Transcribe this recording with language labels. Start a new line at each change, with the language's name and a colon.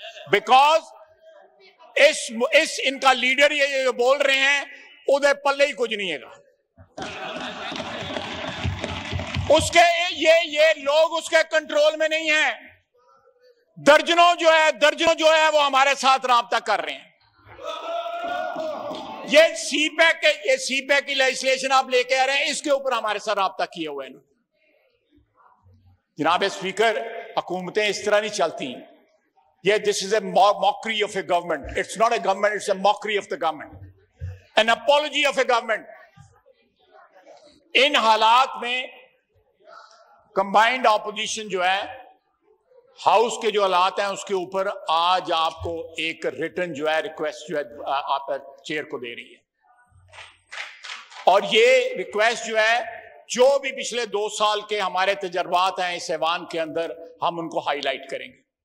Urdu: Because اس ان کا leader یہ جو بول رہے ہیں ادھر پلے ہی کچھ نہیں ہے گا اس کے, یہ لوگ اس کے کنٹرول میں نہیں ہیں. درجنوں جو ہے وہ ہمارے ساتھ رابطہ کر رہے ہیں. یہ سی پیک کے, یہ سی پیک کی لیجسلیشن آپ لے کے آ رہے ہیں, اس کے اوپر ہمارے ساتھ رابطہ کیے ہوئے ہیں. جناب اسپیکر, حکومتیں اس طرح نہیں چلتی.
English: یہ this is a mockery of a government, it's not a government, it's a mockery of the government, an apology of a government.
Urdu: ان حالات میں کمبائنڈ اپوزیشن جو ہے, ہاؤس کے جو حالات ہیں اس کے اوپر آج آپ کو ایک ریٹن جو ہے ریکویسٹ جو ہے آپ چیئر کو دے رہی ہے, اور یہ ریکویسٹ جو ہے جو بھی پچھلے 2 سال کے ہمارے تجربات ہیں اس ایوان کے اندر, ہم ان کو ہائی لائٹ کریں گے.